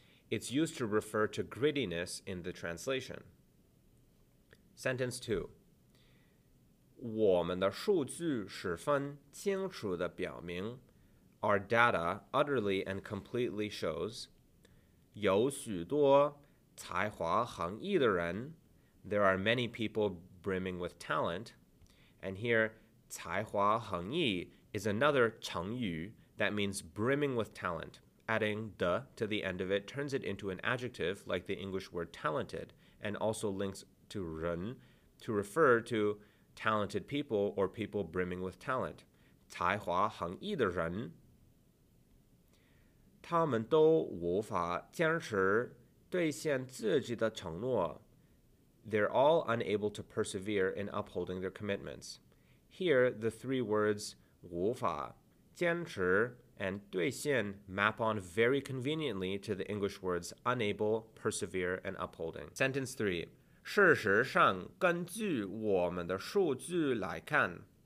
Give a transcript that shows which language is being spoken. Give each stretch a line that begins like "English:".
English: It's used to refer to grittiness in the translation. Sentence 2.
Chinese: 我们的数据十分清楚地表明,
English: our data utterly and completely shows,
Chinese: 有许多才华横溢的人,
English: there are many people brimming with talent, and here, 才华横溢, is another 成语 that means brimming with talent, adding de to the end of it turns it into an adjective like the English word talented, and also links to run to refer to talented people or people brimming with talent.
Chinese: 才华横溢的人，他们都无法坚持兑现自己的承诺。
English: They're all unable to persevere in upholding their commitments. Here, the three words
Chinese: 无法坚持
English: and 兑现 map on very conveniently to the English words unable, persevere, and upholding. Sentence 3.
Chinese: 事实上根据我们的数据来看,